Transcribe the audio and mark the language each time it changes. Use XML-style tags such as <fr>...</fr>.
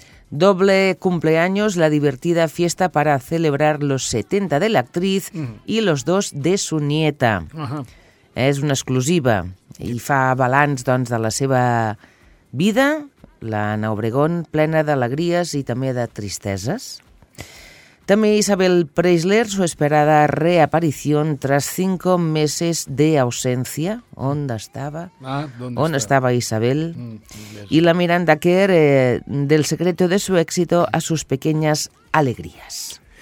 <es>Doble cumpleaños, la divertida fiesta para celebrar los 70 de la actriz y los dos de su nieta.</es> <ca>És una exclusiva i fa balanç doncs, de la seva vida, l'Ana Obregón, plena d'alegries i també de tristeses.</ca> <es>També Isabel Preisler, su esperada reaparición tras 5 meses de ausencia.</es> <ca>¿On estava? Ah, ¿on estava Isabel?</ca> <es>I la Miranda Kerr, del secreto de su éxito a sus pequeñas alegrías.</es>